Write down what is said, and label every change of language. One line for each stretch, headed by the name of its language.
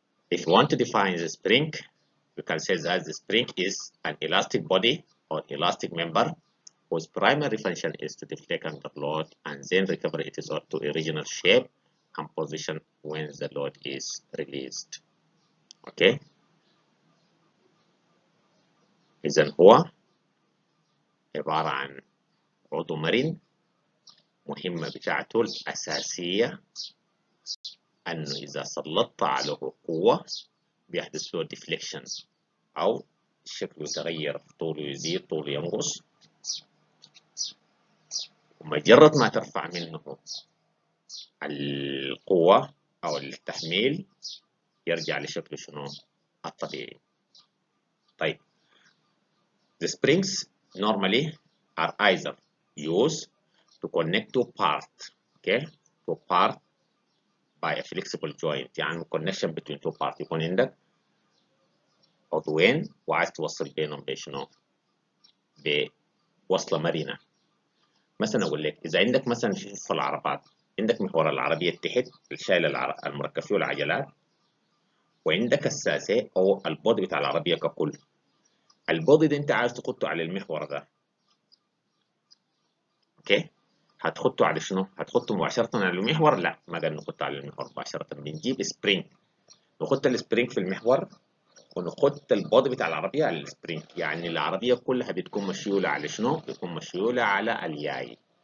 English: If you want to define the spring, we can say that the spring is an elastic body or elastic member whose primary function is to deflect under load and then recover its original shape and position when the load is released. Okay.
Arabic: Izan huwa ibaran udhu marin مهمة بتاعته الأساسية أنه إذا سلطت عليه قوة بيحدث له ديفليكشن أو شكله يتغير، طوله يزيد طوله ينقص، ومجرد ما ترفع منه القوة أو التحميل يرجع لشكله شنو الطبيعي.
English: طيب the springs normally are either used to connect to part, okay, to part by a flexible joint,
Arabic: يعني connection between two parts يكون عندك عضوين وعايز توصل بينهم بشنو؟ بوصلة مرنة. مثلا أقول لك إذا عندك مثلا في العربات عندك محور العربية تحت الشايل المركب فيه العجلات، وعندك الساسة أو البودي بتاع العربية ككل. البودي ده أنت عايز تحطه على المحور ده، أوكي؟ هتحطه على شنو؟ هتحطه مباشرة على المحور؟ لا، ما قال نحطه على المحور مباشرة، بنجيب سبرينج، نحط السبرينج في المحور ونحط البودي بتاع العربية على السبرينج، يعني العربية كلها بتكون مشيولة على شنو؟ بتكون مشيولة على الياي.